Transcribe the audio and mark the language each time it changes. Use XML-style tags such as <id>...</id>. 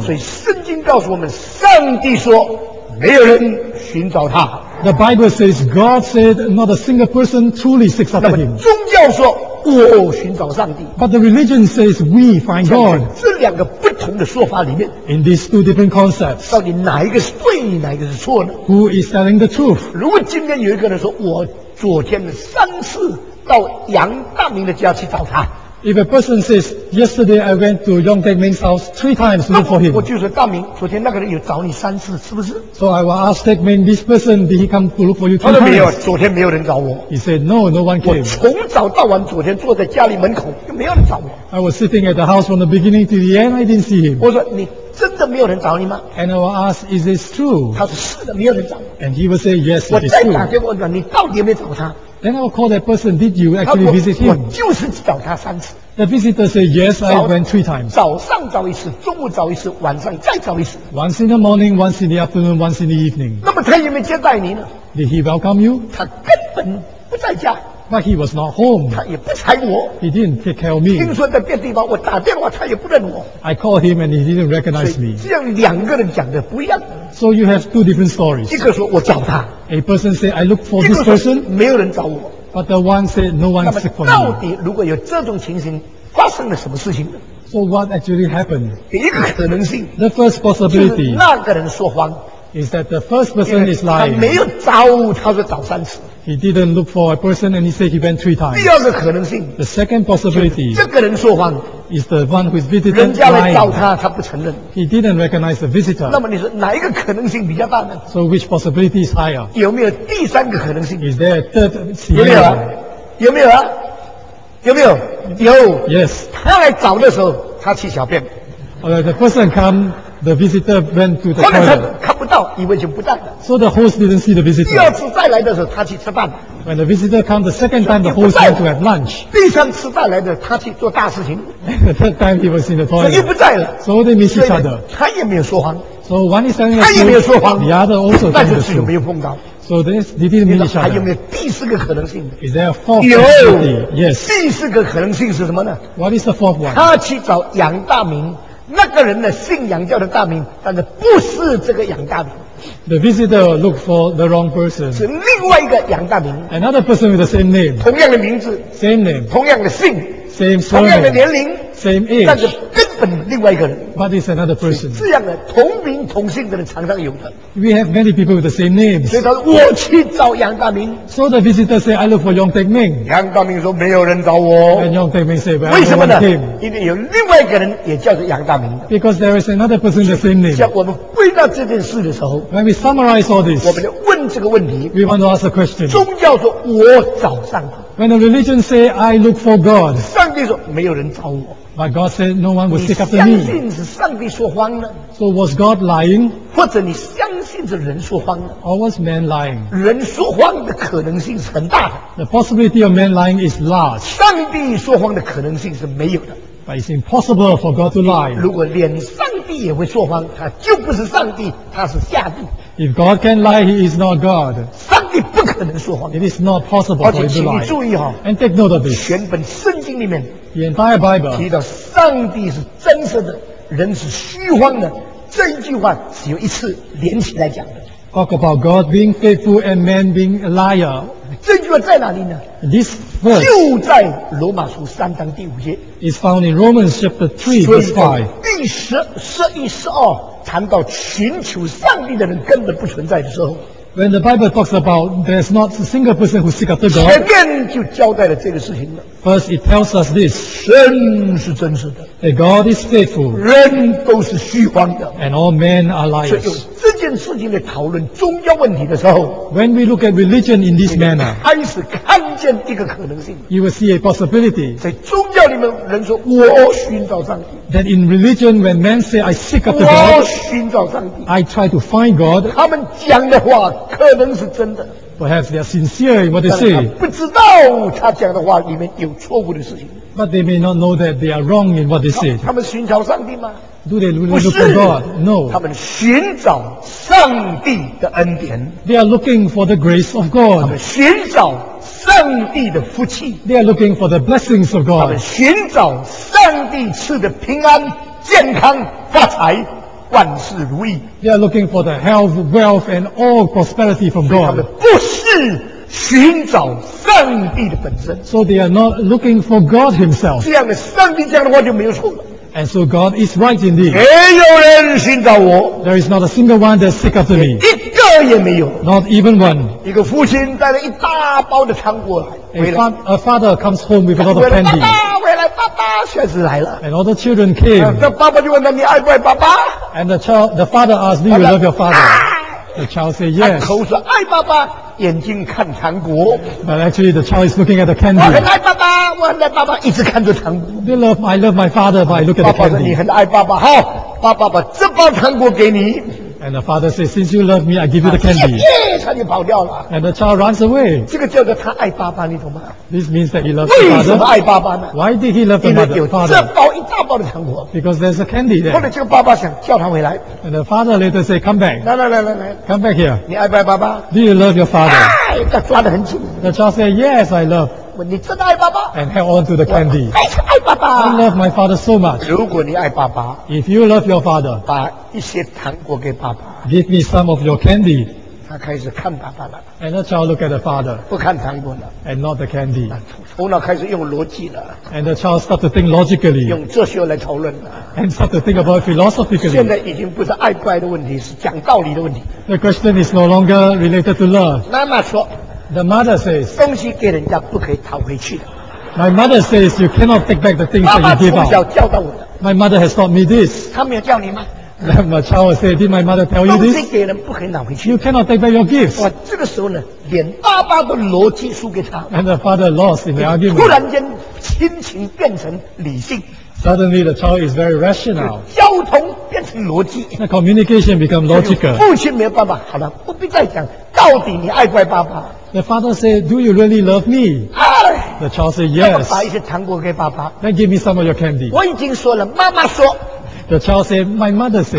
<zh>所以圣经告诉我们，上帝说，没有人寻找他。</zh> <en>The Bible says God said not a single person truly seeks after Him.</en> <zh>宗教说我寻找上帝。</zh> <en>But the religion says we find God.</en> <zh>这两个不同的说法里面</zh> <en>，In these two different concepts，</en> <zh>到底哪一个是对，哪一个是错呢</zh> <en>？Who is telling the truth？</en> <zh>如果今天有一个人说，我昨天三次到杨大明的家去找他。</zh> <en>If a person says, yesterday I went to Yong Teck Ming's house three times to look for him.</en> <zh>我就说大明，昨天那个人有找你三次，是不是</zh> <en>？So I will ask Teck Ming, this person, did he come to look for you three times?</en> <zh>他说没有，昨天没有人找我。</zh> <en>He said, no, no one came.</en> <zh>我从早到晚，昨天坐在家里门口，又没有人找我。</zh> <en>I was sitting at the house from the beginning to the end, I didn't see him.</en> <zh>我说你真的没有人找你吗</zh> <en>？And I will ask, is this true?</en> <zh>他说是的，没有人找我。</zh> <en>And he will say, yes, it is true.</en> <zh>我再打电话问你，到底有没有找他？</zh> <en>Then I'll call that person. Did you actually visit him?</en> <zh>我就是找他三次。</zh> <en>The visitor said, "Yes, I went three times."</en> <zh>早上找一次，中午找一次，晚上再找一次。</zh> <en>Once in the morning, once in the afternoon, once in the evening.</en> <zh>那么他有没有接待你呢</zh> <en>？Did he welcome you?</en> <zh>他根本不在家。</zh> <en>But he was not home.</en> <zh>他也不睬我。</zh> <en>He didn't take care of me.</en> <zh>听说在别的地方，我打电话他也不认我。</zh> <en>I called him and he didn't recognize me.</en> <zh>这样两个人讲的不一样。</zh> <en>So you have two different stories.</en> <zh>一个说我找他。</zh> <en>A person said, I look for this person.</en> <zh>没有人找我。</zh> <en>But the one said, no one seek for me.</en> <zh>到底如果有这种情形，发生了什么事情呢？</zh> <en>So what actually happened?</en> <zh>一个可能性。</zh> <en>The first possibility.</en> <zh>就是那个人说谎。</zh> <en>Is that the first person is lying?</en> <zh>他没有找，他说找三次。</zh> <en>He didn't look for a person, and he said he went three times.</en> <zh>第二个可能性。</zh> <en>The second possibility.</en> <zh>这个人说谎。</zh> <en>Is the one who is visited lying.</en> <zh>人家来找他，他不承认。</zh> <en>He didn't recognize the visitor.</en> <zh>那么你说哪一个可能性比较大呢？</zh> <en>So which possibility is higher?</en> <zh>有没有第三个可能性？</zh> <en>Is there a third scenario?</en> <zh>有没有啊？有没有啊？有没有？有。</zh> <en>Yes.</en> <zh>他来找的时候，他去小便。</zh> <en>Alright, the person come. The visitor went to the toilet.</en> <zh>看不到，以为就不在了。</zh> <en>So the host didn't see the visitor.</en> <zh>第二次再来的时候，他去吃饭。</zh> <en>When the visitor comes the second time, the host went to have lunch.</en> <zh>第三次再来的，他去做大事情。</zh> <en>The third time he was in the toilet.</en> <zh>所以不在了。</zh> <en>So they miss each other.</en> <zh>他也没有说谎。</zh> <en>So one is telling the truth.</en> <zh>他也没有说谎。</zh> <en>The other also telling the truth.</en> <zh>但是没有碰到。</zh> <en>So they didn't miss each other.</en> <zh>还有没有第四个可能性？</zh> <en>Is there a fourth possibility? Yes.</en> <zh>第四个可能性是什么呢？</zh> <en>What is the fourth one?</en> <zh>他去找杨大明。那个人呢，信杨教的大名，但是不是这个杨大名。</zh> <en>The visitor looked for the wrong person.</en> <zh>是另外一个杨大名。</zh> <en>Another person with the same name.</en> <zh>同样的名字。</zh> <en>Same name.</en> <zh>同样的姓。</zh> <en>Same surname.</en> <zh>同样的年龄。</zh> <en>Same age.</en> <zh>但是根本另外一个人。</zh> <en>But it's another person.</en> <zh>这样的同名同姓的人常常有的。</zh> <en>We have many people with the same names.</en> <zh>所以他说我去找杨大名。</zh> <en>So the visitor said, I look for Yong Teck Ming.</en> <zh>杨大名说没有人找我。</zh> <en>And Yong Teck Ming said,</en> <zh>Well, 为什么呢？因为有另外一个人也叫做杨大名。</zh> <en>Because there is another person with the same name.</en> <zh>像我们归纳这件事的时候。</zh> <en>When we summarize all this,</en> <zh>我们就问这个问题。</zh> <en>We want to ask a question.</en> <zh>宗教说我找上帝。</zh> <en>When the religion say, I look for God.</en> <zh>上帝说没有人找我。</zh> <en>But God said no one would seek after me.</en> <zh>你相信是上帝说谎呢？</zh> <en>So was God lying?</en> <zh>或者你相信是人说谎呢？</zh> <en>Or was man lying?</en> <zh>人说谎的可能性是很大的。</zh> <en>The possibility of man lying is large.</en> <zh>上帝说谎的可能性是没有的。</zh> <en>But it's impossible for God to lie.</en> <zh>如果连上帝也会说谎，他就不是上帝，他是下帝。</zh> <en>If God can lie, He is not God.</en> <zh>上帝不可能说谎。</zh> <en>It is not possible for Him to lie.</en> <zh>而且请你注意哦。</zh> <en>And take note of this.</en> <zh>全本圣经里面</zh> <en>，The entire Bible</en> <zh>提到上帝是真实的，人是虚幻的，这一句话只有一次连起来讲的。</zh> <en>Talk about God being faithful and man being a liar.</en> <zh>这句话在哪里呢</zh> <en>？This verse</en> <zh>就在罗马书三章第五节。</zh> <en>It's found in Romans chapter 3 verse 5.</en> <zh>第十一、十二。谈到寻求上帝的人根本不存在的时候</zh> <en>，When the Bible talks about there's not a single person who seeks after God，</en> <zh>前面就交代了这个事情了。</zh> <en>First, it tells us this，</en> <zh>神是真实的</zh> <en>，That God is faithful，</en> <zh>人都是虚幻的</zh> <en>，And all men are liars。</en> <zh>所以用这件事情来讨论宗教问题的时候</zh> <en>，When we look at religion in this manner，</en> <zh>开始看见一个可能性</zh> <en>，You will see a possibility。</en> <zh>在宗教里面，人说我寻找上帝。</zh> <en>That in religion, when men say, I seek after God,</en> <zh>我寻找上帝,</zh> <en>I try to find God,</en> <zh>他们讲的话可能是真的,</zh> <en>perhaps they are sincere in what they say,</en> <zh>但是他不知道他讲的话里面有错误的事情,</zh> <en>but they may not know that they are wrong in what they say.</en> <zh>他们寻找上帝吗?</zh> <en>Do they really look for God? No.</en> <zh>他们寻找上帝的恩典,</zh> <en>they are looking for the grace of God.</en> <zh>他们寻找上帝的福气</zh> <en>They are looking for the blessings of God</en> <zh>他们寻找上帝赐的平安健康发财万事如意。</zh> <en>They are looking for the health, wealth, and all prosperity from God.</en> <zh>他们不是寻找上帝的本身。</zh> <en>So they are not looking for God Himself.</en> <zh>这样的上帝这样的话就没有错了。</zh> <en>And so God is right indeed.</en> <zh>没有人寻找我。</zh> <en>There is not a single one that seek after me.</en> <zh>一个也没有。</zh> <en>Not even one.</en> <zh>一个父亲带了一大包的糖果来。</zh> <en>A father comes home with a lot of candy.</en> <zh>回来，爸爸确实来了。</zh> <en>And all the children came.</en> <zh>那爸爸就问他，你爱不爱爸爸？</zh> <en>And the father asks, do you love your father? The child says yes.</en> <zh>口说爱爸爸，眼睛看糖果。</zh> <en>But actually, the child is looking at the candy.</en> <zh>我很爱爸爸，我很爱爸爸，一直看着糖果。</zh> <en>I love my father, but I look at the candy.</en> <zh>爸爸，你很爱爸爸，好，爸爸把这包糖果给你。</zh> <en>And the father says, since you love me, I give you the candy.</en> <zh>谢谢，他就跑掉了。</zh> <en>And the child runs away.</en> <zh>这个叫做他爱爸爸，你懂吗？</zh> <en>This means that he loves the father.</en> <zh>为什么爱爸爸呢？</zh> <en>Why did he love the mother?</en> <zh>因为有这包一大包的糖果。</zh> <en>Because there's a candy there.</en> <zh>后来这个爸爸想叫他回来。</zh> <en>And the father later say, come back.</en> <zh>来。</zh> <en>Come back here.</en> <zh>你爱不爱爸爸？</zh> <en>Do you love your father?</en> <zh>他抓得很紧。</zh> <en>The child said, yes, I love.</en> <zh>问你真的爱爸爸？</zh> <en>And held on to the candy.</en> <zh>还是爱爸爸。</zh> <en>I love my father so much.</en> <zh>如果你爱爸爸，</zh> <en>if you love your father,</en> <zh>把一些糖果给爸爸。</zh> <en>Give me some of your candy.</en> <zh>他开始看爸爸了。</zh> <en>And the child look at the father.</en> <zh>不看糖果了。</zh> <en>And not the candy.</en> <zh>头脑开始用逻辑了。</zh> <en>And the child start to think logically.</en> <zh>用哲学来讨论了。</zh> <en>And start to think about philosophically.</en> <zh>现在已经不是爱不爱的问题，是讲道理的问题。</zh> <en>The question is no longer related to love.</en> <zh>妈妈说。</zh> <en>The mother says,</en> <zh>东西给人家不可以讨回去的。</zh> <en>My mother says, you cannot take back the things that you give out.</en> <zh>妈妈从小教导我的。</zh> <en>My mother has taught me this.</en> <zh>她没有教你吗？</zh> <en>My child will say, did my mother tell you this?</en> <zh>东西给人不可以拿回去。</zh> <en>You cannot take back your gifts.</en> <zh>哇，这个时候呢，连爸爸的逻辑输给他。</zh> <en>And the father lost in the argument.</en> <zh>突然间，亲情变成理性。</zh> <en>Suddenly, the child is very rational.</en> <zh>交通变成逻辑。</zh> <en>The communication become logical.</en> <zh>父亲没有办法，好了，不必再讲，到底你爱不爱爸爸？</zh> <en>The father said, do you really love me? The child said, yes.</en> <zh>把一些糖果给爸爸。</zh> <en>Then give me some of your candy.</en> <zh>我已经说了，妈妈说。</zh> <en>The child said, my mother said,</en>